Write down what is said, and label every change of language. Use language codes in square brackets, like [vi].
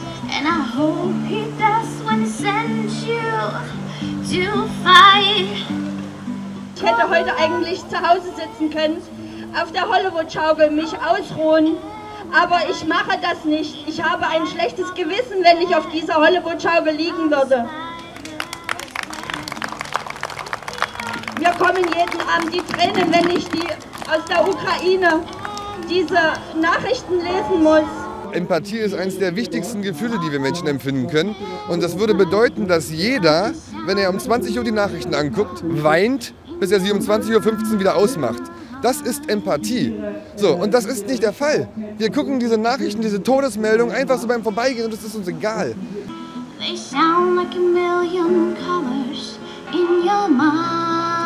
[en] And I hope he does when he sends you to fight. [de] Ich hätte heute eigentlich zu Hause sitzen können, auf der Hollywood-Schaukel mich ausruhen. Aber ich mache das nicht. Ich habe ein schlechtes Gewissen, wenn ich auf dieser Hollywood-Schaukel liegen würde. Mir kommen jeden Abend die Tränen, wenn ich die aus der Ukraine diese Nachrichten lesen muss. Empathie ist eines der wichtigsten Gefühle, die wir Menschen empfinden können. Und das würde bedeuten, dass jeder, wenn er um 20 Uhr die Nachrichten anguckt, weint, bis er sie um 20.15 Uhr wieder ausmacht. Das ist Empathie. So, und das ist nicht der Fall. Wir gucken diese Nachrichten, diese Todesmeldungen einfach so beim Vorbeigehen und es ist uns egal. [en] They sound like a million colors in your mind.